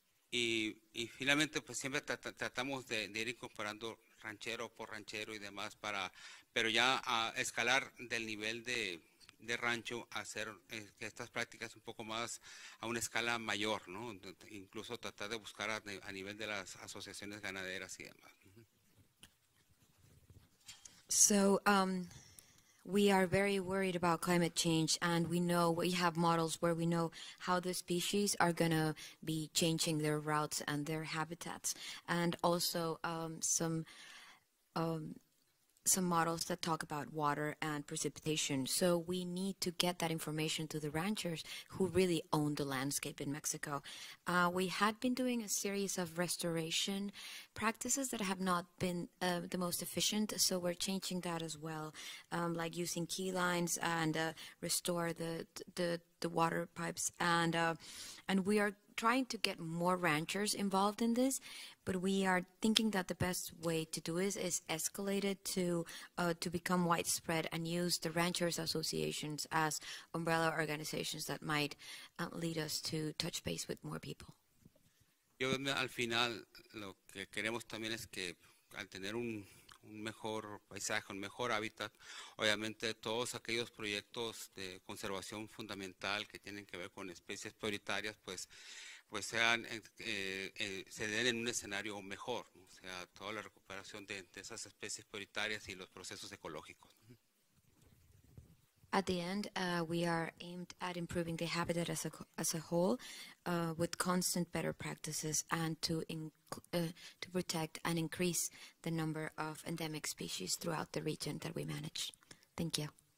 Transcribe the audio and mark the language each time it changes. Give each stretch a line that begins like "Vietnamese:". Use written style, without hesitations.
Spanish: Y finalmente, pues siempre tratamos de ir incorporando ranchero por ranchero y demás, pero ya a escalar del nivel de rancho, hacer que estas prácticas un poco más a una escala mayor, ¿no? Incluso tratar de buscar a nivel de las asociaciones ganaderas y demás.
English: We are very worried about climate change, and we know we have models where we know how the species are going to be changing their routes and their habitats, and also some models that talk about water and precipitation. So we need to get that information to the ranchers who really own the landscape in Mexico. We had been doing a series of restoration practices that have not been the most efficient, so we're changing that as well, like using key lines and restore the water pipes. And we are trying to get more ranchers involved in this, but we are thinking that the best way to do this is escalate it to become widespread and use the ranchers associations as umbrella organizations that might lead us to touch base with more people.
Spanish: Yo, al final, lo que queremos también es que al tener un mejor paisaje, un mejor hábitat, obviamente todos aquellos proyectos de conservación fundamental que tienen que ver con especies prioritarias, pues sean, se den en un escenario mejor, ¿no? O sea, toda la recuperación de esas especies prioritarias y los procesos ecológicos.
English: At the end, we are aimed at improving the habitat as a whole, with constant better practices, and to protect and increase the number of endemic species throughout the region that we manage. Thank you.